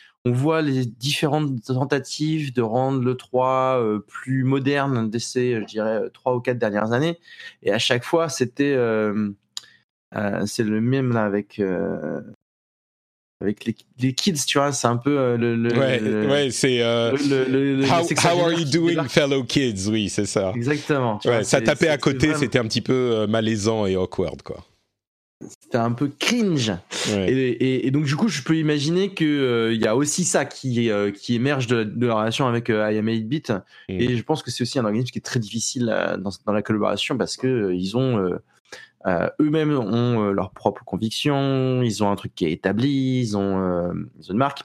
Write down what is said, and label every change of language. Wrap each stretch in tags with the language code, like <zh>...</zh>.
<fr>On voit les différentes tentatives de rendre l'E3 plus moderne dès ces, je dirais, 3 ou 4 dernières années. Et à chaque fois, c'était... c'est le mème là avec les kids, tu vois, c'est un peu</fr> <en>How are you doing, fellow kids?</en> <fr>Oui, c'est ça. Exactement. Tu vois, ça tapait à côté, vraiment... c'était un petit peu malaisant et awkward, quoi. C'était un peu cringe. Ouais. Et donc, du coup, je peux imaginer qu'il y a aussi ça qui émerge de la relation avec I Am 8-Bit. Mmh. Et je pense que c'est aussi un organisme qui est très difficile dans la collaboration, parce qu'ils ont eux-mêmes ont leurs propres convictions, ils ont un truc qui est établi, ils ont une marque.</fr>